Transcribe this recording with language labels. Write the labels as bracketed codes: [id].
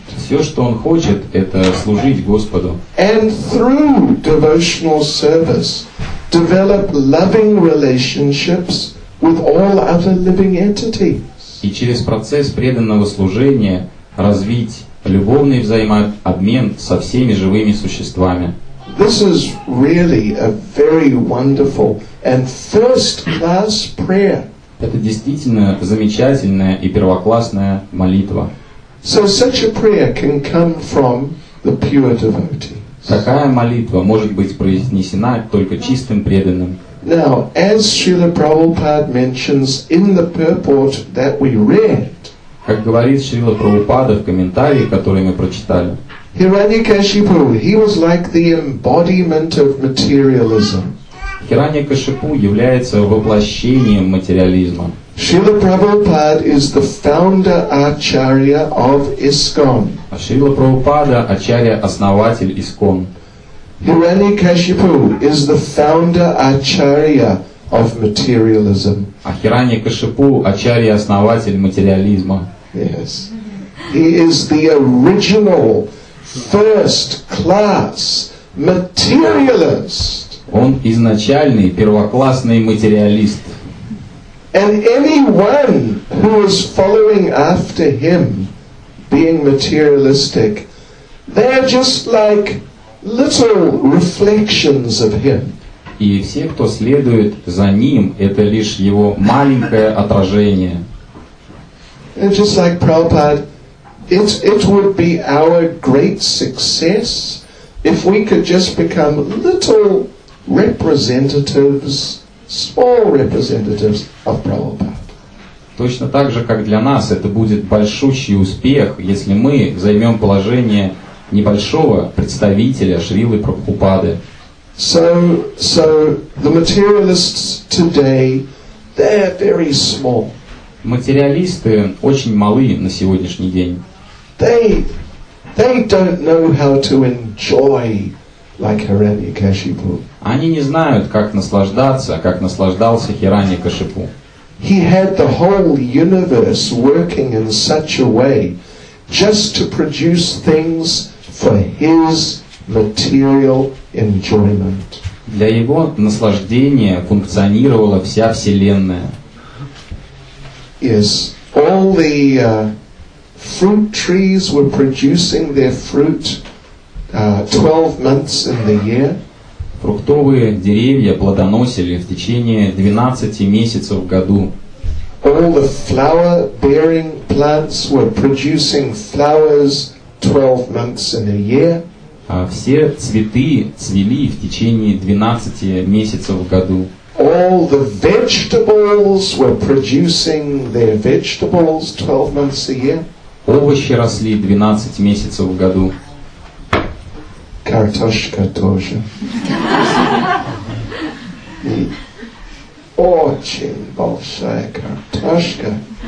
[ru] Все, что он хочет, это служить Господу. [en] And through devotional service, develop loving relationships with all other living entities. [ru] И через процесс преданного служения развить любовный взаимообмен со всеми живыми существами. [en] This is really a very wonderful and first-class prayer. [ru] Это действительно замечательная и первоклассная молитва. [en] So such a prayer can come from the pure devotees. [ru] Такая молитва может быть произнесена только чистым преданным. [en] Now, as Srila Prabhupada mentions in the purport that we read, [ru] как говорит Шрила Прабхупада в комментарии, который мы прочитали, [en] Hiranyakashipu, he was like the embodiment of materialism. [ru] Hiranyakashipu является воплощением материализма. [en] Srila Prabhupada is the founder acharya of ISKCON. [ru] Srila Prabhupada acharya основатель ISKCON. [en] Hiranyakashipu is the founder acharya of materialism. [ru] А Hiranyakashipu acharya основатель материализма. [en] Yes. He is the original first-class materialist. [ru] Он изначальный первоклассный материалист. [en] And anyone who is following after him, being materialistic, they are just like little reflections of him. [ru] И все, кто следует за ним, это лишь его маленькое отражение. [en] And just like Prabhupada, It would be our great success if we could just become little representatives, small representatives of Prabhupada. [ru] Точно так же, как для нас, это будет большущий успех, если мы займем положение небольшого представителя Шрилы Прабхупады. [en] So the materialists today, they're very small. [ru] Материалисты очень малы на сегодняшний день. [en] They don't know how to enjoy like Hiranyakashipu. [ru] Они не знают, как наслаждаться, как наслаждался Hiranyakashipu. [en] He had the whole universe working in such a way just to produce things for his material enjoyment. [ru] Для его наслаждения функционировала вся вселенная. [en] Yes, all the fruit trees were producing their fruit 12 months in the year. [ru] Фруктовые деревья плодоносили в течение 12 месяцев в году. [en] All the flower-bearing plants were producing flowers 12 months in a year. [ru] Все цветы цвели в течение 12 месяцев в году. All the vegetables were producing their vegetables 12 months a year. Овощи росли 12 месяцев в году. Картошка тоже. Очень большая картошка.